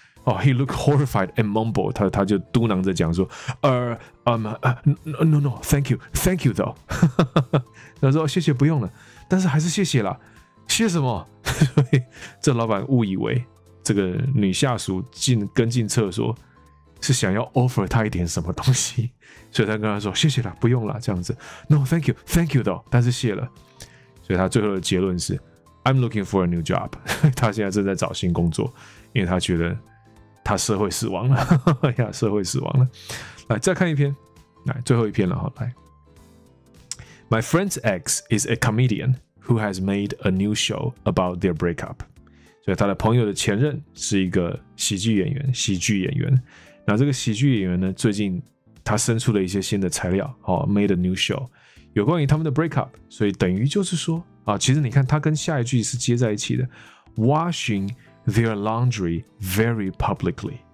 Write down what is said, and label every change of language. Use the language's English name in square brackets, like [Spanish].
[Chinese] 哦、oh, ， [English] He looked horrified and mumbled， [Chinese] 他就嘟囔着讲说， [English] no, thank you though， [Chinese] 他说谢谢不用了，但是还是谢谢啦，谢什么？所以这老板误以为这个女下属跟进厕所是想要 offer 他一点什么东西，所以他跟他说谢谢啦，不用啦，这样子 ，no, thank you though， 但是谢了，所以他最后的结论是。 [English] I'm looking for a new job. [Chinese] 他现在正在找新工作，因为他觉得他社会死亡了。呀，社会死亡了。来，再看一篇，来最后一篇了哈。 [English] 来 ，My friend's ex is a comedian who has made a new show about their breakup. [Chinese] 所以他的朋友的前任是一个喜剧演员，喜剧演员。那这个喜剧演员呢，最近他生出了一些新的材料，哦 ， [English] made a new show， [Chinese] 有关于他们的 breakup。所以等于就是说。啊、其实你看他跟下一句是接在一起的 [English] washing their laundry very publicly。